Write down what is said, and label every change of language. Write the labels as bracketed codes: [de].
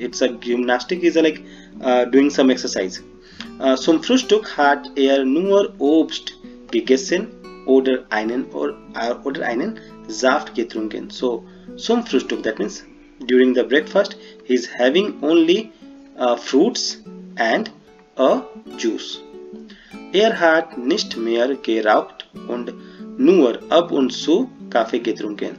[en] It's a gymnastic is a like doing some exercise. [de] Zum Frühstück hat nur Obst gegessen oder einen Saft getrunken. [en] So [de] zum Frühstück, [en] that means during the breakfast, he's having only fruits and a juice. [de] Hat nicht mehr geraucht und nur ab und zu Kaffee getrunken.